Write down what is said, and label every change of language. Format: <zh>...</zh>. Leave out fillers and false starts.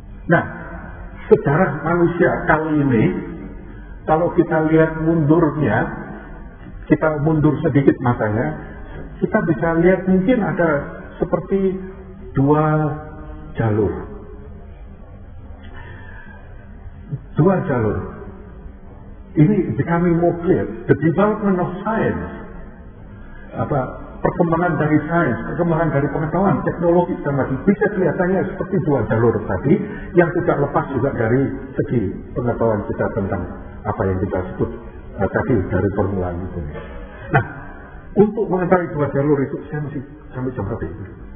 <id>Nah, sejarah manusia kali ini, kalau kita lihat mundurnya, kita mundur sedikit matanya, kita bisa lihat mungkin ada seperti dua jalur. Dua jalur. Ini</id> <en>becoming more clear. The development of science.</en> <id>Apa, perkembangan dari sains, perkembangan dari pengetahuan, teknologi, dan lagi. Bisa kelihatannya seperti dua jalur tadi, yang tidak lepas juga dari segi pengetahuan kita tentang apa yang kita sebut tadi dari formula itu. Nah, untuk mengetahui dua jalur itu, saya masih sampai jam berapa ini?</id>